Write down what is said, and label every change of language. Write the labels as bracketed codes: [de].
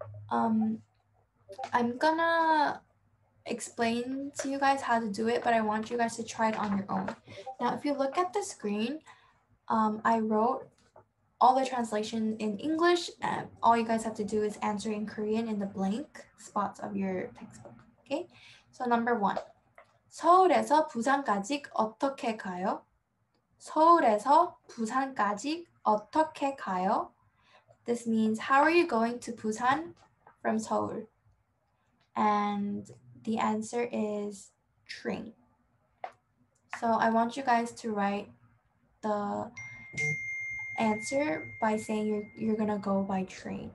[en] I'm gonna explain to you guys how to do it, but I want you guys to try it on your own. Now, if you look at the screen, I wrote all the translation in English, and all you guys have to do is answer in Korean in the blank spots of your textbook. Okay, so number one, [ko] 서울에서 부산까지 어떻게 가요? 서울에서 부산까지 어떻게 가요? [en] This means, how are you going to Busan from Seoul? And the answer is train. So I want you guys to write the answer by saying you're gonna go by train.